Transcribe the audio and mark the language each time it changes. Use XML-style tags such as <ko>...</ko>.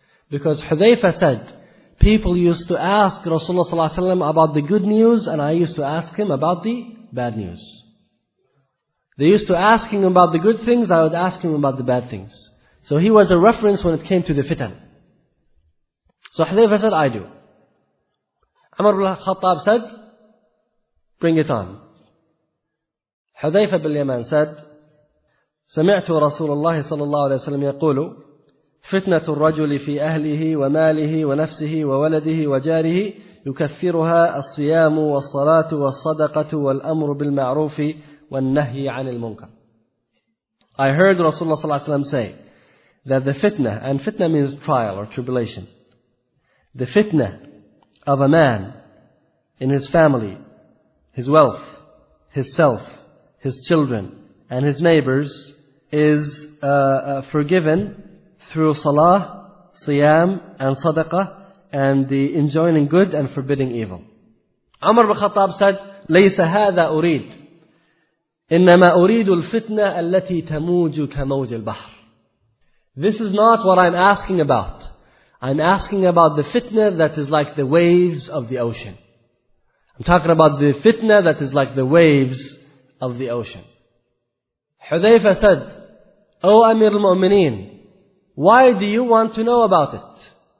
<en>Because Hudhayfa said, people used to ask Rasulullah</en> <ar>صلى الله عليه وسلم</ar> <en>about the good news and I used to ask him about the bad news. They used to ask him about the good things, I would ask him about the bad things. So he was a reference when it came to the fitan. So Hudhayfa said, I do. Umar ibn Khattab said, bring it on. Hudhayfa ibn Yaman said,</en> <ar>سمعت رسول الله صلى الله عليه وسلم يقول فتنة الرجل في أهله وماله ونفسه وولده وجاره يكثرها الصيام والصلاة والصدقة والأمر بالمعروف والنهي عن المنكر.</ar> <en>I heard Rasulullah</en> <ar>صلى الله عليه وسلم</ar> <en>say that the fitna, and fitna means trial or tribulation, the fitna of a man in his family, his wealth, his self, his children, and his neighbors is forgiven through salah, siyam, and sadaqah, and the enjoining good and forbidding evil. Umar ibn Khattab said,</en> <ar>لَيْسَ هَذَا أُرِيدُ إِنَّمَا أُرِيدُ الْفِتْنَةَ الَّتِي تَمُوجُ كَمَوْجِ الْبَحْرِ.</ar> <en>This is not what I'm asking about. I'm asking about the fitna that is like the waves of the ocean. I'm talking about the fitna that is like the waves of the ocean. Hudhayfa said, O Amir al-Mu'mineen, why do you want to know about it?</en>